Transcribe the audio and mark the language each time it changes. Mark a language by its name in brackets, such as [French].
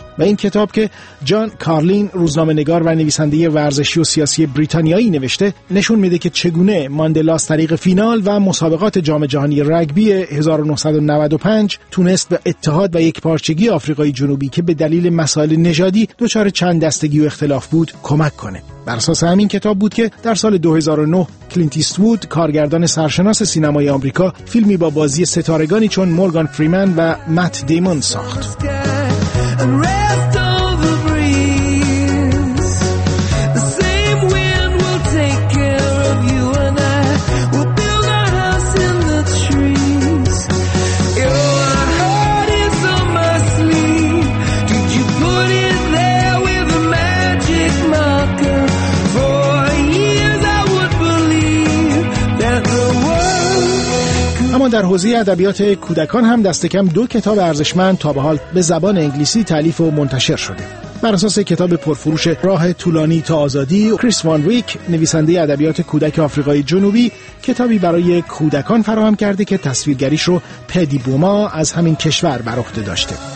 [Persian] و این کتاب که جان کارلین، روزنامه نگار و نویسنده ورزشی و سیاسی بریتانیایی، نوشته، نشون میده که چگونه ماندلا از طریق فینال و مسابقات جام جهانی رگبی 1995 تونست به اتحاد و یکپارچگی آفریقای جنوبی که به دلیل مسائل نژادی دچار چند دستگی و اختلاف بود کمک کنه. بر اساس همین کتاب بود که در سال 2009 کلینت ایستوود، کارگردان سرشناس سینمای آمریکا، فیلمی با بازی ستارگانی چون مورگان فریمن و مات دیمون ساخت. [English] And rest on the breeze. The same wind will take care of you and I. We'll build our house in the trees. Your heart is on my sleeve. Did you put it there with a magic marker? For years I would believe that the world. [Persian] اما در حوزه ادبیات کودکان هم دست کم دو کتاب ارزشمند تا به حال به زبان انگلیسی تألیف و منتشر شده. بر اساس کتاب پرفروش راه طولانی تا آزادی، کریس وان ویک، نویسنده ادبیات کودک آفریقای جنوبی، کتابی برای کودکان فراهم کرده که تصویرگریش رو پدی بوما از همین کشور بر عهده داشته.